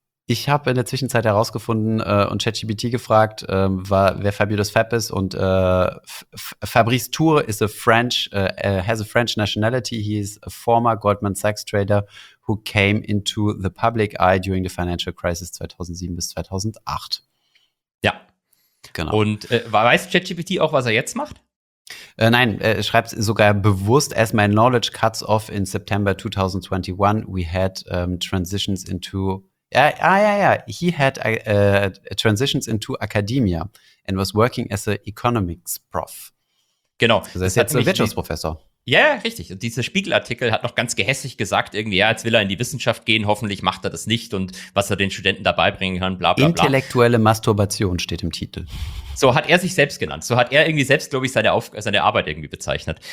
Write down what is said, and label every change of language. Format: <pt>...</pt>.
<de>Ich habe in der Zwischenzeit herausgefunden und ChatGPT gefragt, wer Fabulous Fab ist und Fabrice Tour</de> <en>is a French, has a French nationality. He is a former Goldman Sachs trader who came into the public eye during the financial crisis 2007 bis 2008.</en> <de>Ja, genau. Und weiß ChatGPT auch, was er jetzt macht? Nein, er schreibt sogar bewusst,</de> <en>as my knowledge cuts off in September 2021, we had transitions into he had transitions into academia and was working as an economics prof.</en> <de>Genau. Also das ist jetzt ein Wirtschaftsprofessor. Ja, richtig. Und dieser Spiegelartikel hat noch ganz gehässig gesagt, irgendwie, ja, jetzt will er in die Wissenschaft gehen, hoffentlich macht er das nicht und was er den Studenten dabei bringen kann, bla bla bla. Intellektuelle Masturbation steht im Titel. So hat er sich selbst genannt. So hat er irgendwie selbst, glaube ich, seine Arbeit irgendwie bezeichnet.</de>